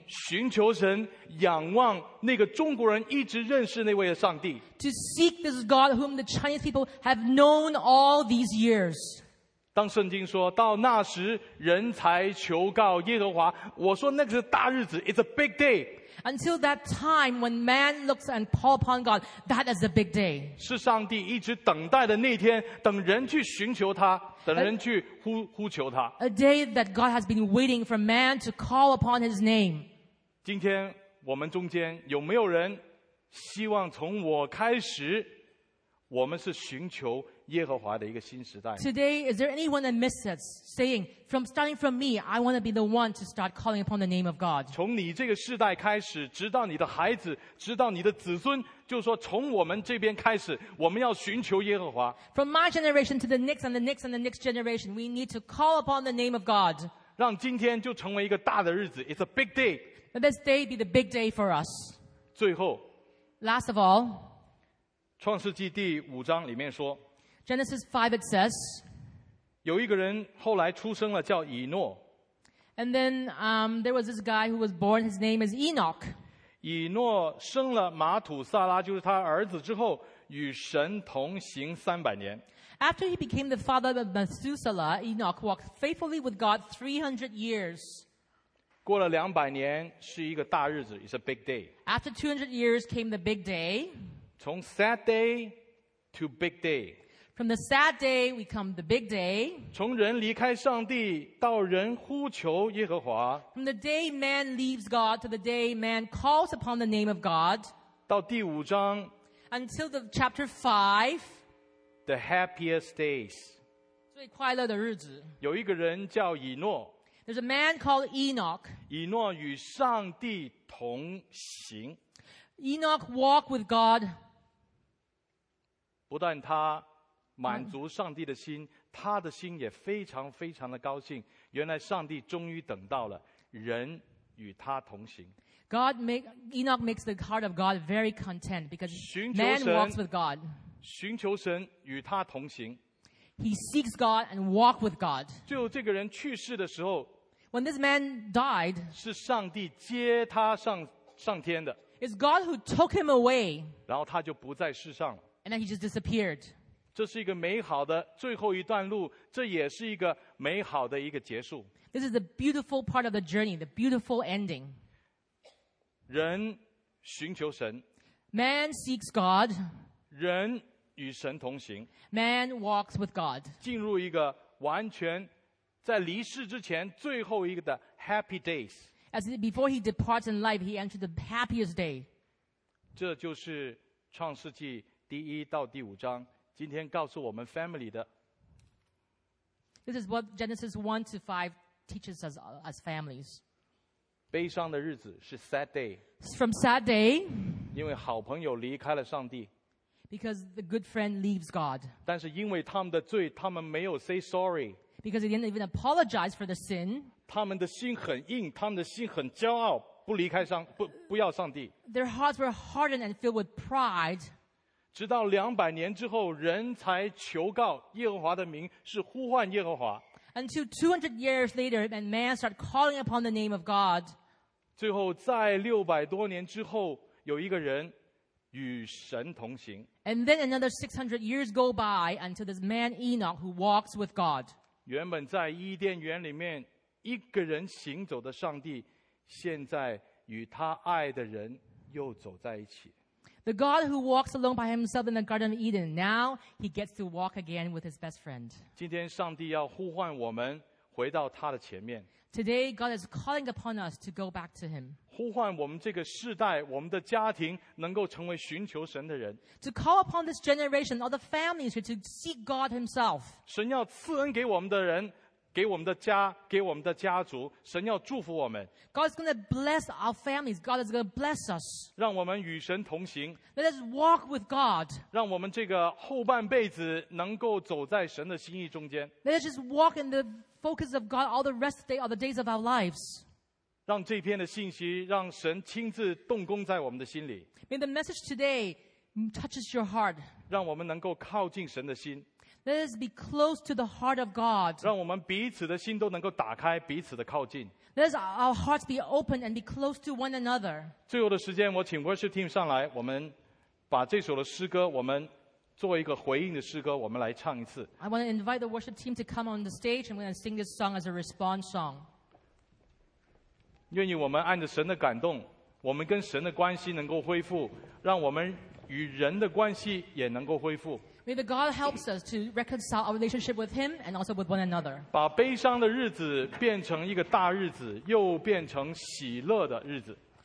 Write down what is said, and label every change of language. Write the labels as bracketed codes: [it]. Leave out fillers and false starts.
[zh] 寻求神，仰望那个中国人一直认识那位的上帝。 [en] To seek this God whom the Chinese people have known all these years. [zh] 当圣经说到那时人才求告耶和华，我说那个是大日子， [en] It's a big day. Until that time when man looks and call upon God, that is a big day. [zh] 是上帝一直等待的那天，等人去寻求他，等人去 呼求他。 [en] A day that God has been waiting for man to call upon his name. [zh] 今天我们中间有没有人希望从我开始，我们是寻求耶和华的一个新时代。 [en] Today, is there anyone that misses saying, from starting from me, I want to be the one to start calling upon the name of God? [zh] 从你这个世代开始，直到你的孩子，直到你的子孙，就是说从我们这边开始，我们要寻求耶和华。 [en] From my generation to the next and the next and the next generation, we need to call upon the name of God. [zh] 让今天就成为一个大的日子， [en] It's a big day. Let this day be the big day for us. [zh] 最后， [en] Last of all, [zh] 创世纪第五章里面说 [en] Genesis 5 it says [zh] 有一个人后来出生了叫以诺 [en] And then there was this guy who was born, his name is Enoch [zh] 以诺生了马土撒拉就是他儿子之后与神同行三百年 [en] After he became the father of Methuselah, Enoch walked faithfully with God 300 years [zh] 过了两百年是一个大日子 [en] It's a big day After 200 years came the big day 从 sad day to big day. From the sad day, we come the big day. [zh] 从人离开上帝到人呼求耶和华。 [en] From the day man leaves God to the day man calls upon the name of God. [zh] 到第五章。 [en] Until the chapter 5. The happiest days. [zh] 最快乐的日子。有一个人叫以诺。 [en] There's a man called Enoch. [zh] 以诺与上帝同行。 [en] Enoch walked with God. [zh] 不但他满足上帝的心，他的心也非常非常的高兴。原来上帝终于等到了人与他同行。 [en] Enoch makes the heart of God very content because man walks with God. [zh] 寻求神与他同行。 [en] He seeks God and walks with God. [zh] 最后这个人去世的时候， [en] When this man died, [zh] 是上帝接他上天的。 [en] It's God who took him away. [zh] 然后他就不在世上了。 [en] And then he just disappeared. [zh] 这是一个美好的最后一段路，这也是一个美好的一个结束。 [en] This is the beautiful part of the journey, the beautiful ending. [zh] 人寻求神。 [en] Man seeks God. [zh] 人与神同行。 [en] Man walks with God. [zh] 进入一个完全在离世之前最后一个的 [en] happy days. As before he departs in life, he entered the happiest day. [zh] 这就是创世纪第一到第五章今天告诉我们 family 的 [en] This is what Genesis 1 to 5 teaches us as families. [zh] 悲伤的日子是 [en] sad day. From sad day. [zh] 因为好朋友离开了上帝。 [en] Because the good friend leaves God. [zh] 但是因为他们的罪，他们没有 [en] say sorry. Because they didn't even apologize for the sin. [zh] 他们的心很硬，他们的心很骄傲，不离开上，不，不要上帝。 [en] Their hearts were hardened and filled with pride. [zh] 直到200年之后，人才求告耶和华的名，是呼唤耶和华。 [en] Until 200 years later, and man started calling upon the name of God. [zh] 最后在600多年之后，有一个人与神同行。 [en] And then another 600 years go by until this man Enoch who walks with God. [zh] 原本在伊甸园里面一个人行走的上帝，现在与他爱的人又走在一起。 [en] The God who walks alone by himself in the Garden of Eden, now he gets to walk again with his best friend. [zh] 今天上帝要呼唤我们回到他的前面。 [en] Today, God is calling upon us to go back to him. [zh] 呼唤我们这个世代，我们的家庭能够成为寻求神的人。 [en] To call upon this generation, all the families here to seek God himself. [zh] 神要赐恩给我们的人，给我们的家，给我们的家族，神要祝福我们。 [en] God is going to bless our families. God is going to bless us. [zh] 让我们与神同行。 [en] Let us walk with God. [zh] 让我们这个后半辈子能够走在神的心意中间。 [en] Let us just walk in the focus of God all the rest of the day, all the days of our lives. [zh] 让这篇的信息让神亲自动工在我们的心里。 [en] May the message today touches your heart. [zh] 让我们能够靠近神的心。 [en] Let us be close to the heart of God. [zh] 让我们彼此的心都能够打开，彼此的靠近。 [en] Let us our hearts be open and be close to one another. [zh] 最后的时间，我请 worship team 上来，我们把这首的诗歌，我们作为一个回应的诗歌，我们来唱一次。 [en] I want to invite the worship team to come on the stage. I'm going to sing this song as a response song. [zh] 愿意我们按着神的感动，我们跟神的关系能够恢复，让我们与人的关系也能够恢复。 [en] May the God help us to reconcile our relationship with Him and also with one another. [zh] 把悲伤的日子变成一个大日子，又变成喜乐的日子。